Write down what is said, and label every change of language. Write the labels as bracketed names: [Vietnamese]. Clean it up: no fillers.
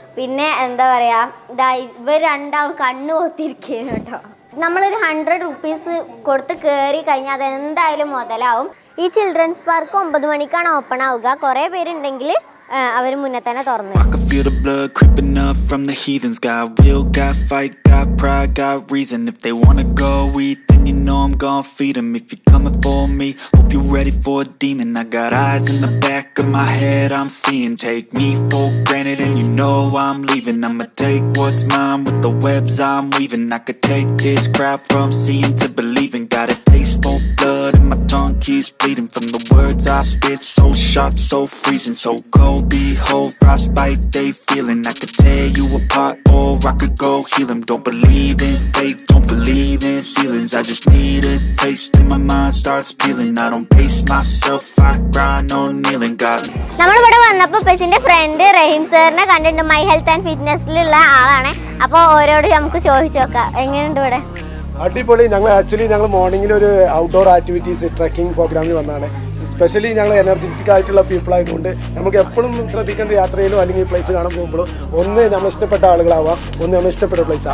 [Malayalam] പിന്നെ എന്താ പറയുക, ഇതാ ഇവർ രണ്ടാളും കണ്ണു പോത്തിരിക്കുന്നു കേട്ടോ. നമ്മളൊരു 100 rupees കൊടുത്ത് കയറി കഴിഞ്ഞാൽ അത് എന്തായാലും മുതലാവും. ഈ ചിൽഡ്രൻസ് പാർക്ക് 9 മണിക്കാണ് ഓപ്പൺ ആവുക. കുറേ പേരുണ്ടെങ്കിൽ അവർ മുന്നേ തന്നെ തുറന്നു. [English] The blood creeping up from the heathens. Got will, got fight, got pride, got reason. If they wanna go eat, then you know I'm gonna feed them. If you're coming for me, hope you're ready for a demon. I got eyes in the back of my head, I'm seeing. Take me for granted and you know I'm leaving. I'ma take what's mine with the webs I'm weaving. I could take this crowd from seeing to believing. Got a taste for blood and my tongue keeps bleeding from the words I spit, so sharp, so freezing. So cold, behold, frostbite, they feeling. I could tear you apart or I could go heal them. Don't believe in faith, don't believe in ceilings. I just need a taste and my mind starts peeling. I don't pace myself, I grind on kneeling. God. [Malayalam] നമ്മള് ഇവിടെ വന്നപ്പോ patient front റഹീം സാറിനെ കണ്ടിട്ട് my health and ഫിറ്റ്നസിലുള്ള ആളാണ്. അപ്പൊ ഓരോട് നമുക്ക് ചോദിച്ചു നോക്കാം എങ്ങനെയുണ്ട് ഇവിടെ. അടിപൊളി. ഞങ്ങൾ ആക്ച്വലി ഞങ്ങൾ മോർണിംഗിൽ ഒരു ഔട്ട്ഡോർ ആക്ടിവിറ്റീസ് ട്രക്കിംഗ് പ്രോഗ്രാമിൽ വന്നതാണ്. സ്പെഷ്യലി ഞങ്ങൾ എനർജറ്റിക് ആയിട്ടുള്ള പീപ്പിൾ ആയതുകൊണ്ട് നമുക്ക് എപ്പോഴും ശ്രദ്ധിക്കേണ്ട യാത്രയിലും അല്ലെങ്കിൽ പ്ലേസ് കാണാൻ പോകുമ്പോഴും ഒന്ന് നമ്മൾ ഇഷ്ടപ്പെട്ട ആളുകളാവാം, ഒന്ന് നമ്മൾ ഇഷ്ടപ്പെട്ട പ്ലേസ്.